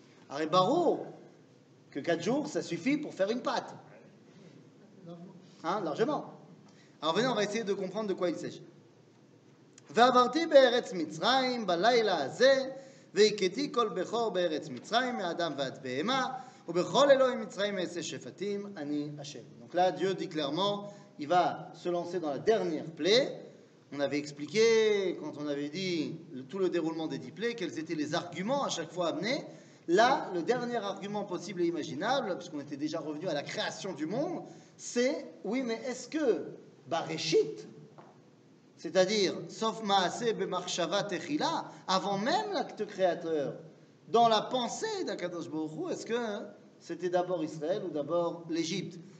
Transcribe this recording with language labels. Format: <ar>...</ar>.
<fr>Arrête Barreau, que 4 jours ça suffit pour faire une pâte. Hein, largement. Alors venez, on va essayer de comprendre de quoi il s'agit.</fr> <he>ועברתי בארץ מצרים בלילה הזה והקיתי כל בכור בארץ מצרים מאדם ועד בהמה ובכל אלוהים מצרים אעשה שפטים אני השם.</he> <fr>Donc là Dieu dit clairement, il va se lancer dans la dernière plaie. On avait expliqué, quand on avait dit tout le déroulement des 10 plaies, quels étaient les arguments à chaque fois amenés. Là, le dernier argument possible et imaginable, puisqu'on était déjà revenu à la création du monde, c'est oui, mais est-ce que Bareshit, c'est-à-dire, sauf Maase Bemarchava Techila, avant même l'acte créateur, dans la pensée d'Akadosh Baruch Hu, est-ce que c'était d'abord Israël ou d'abord l'Égypte?</fr>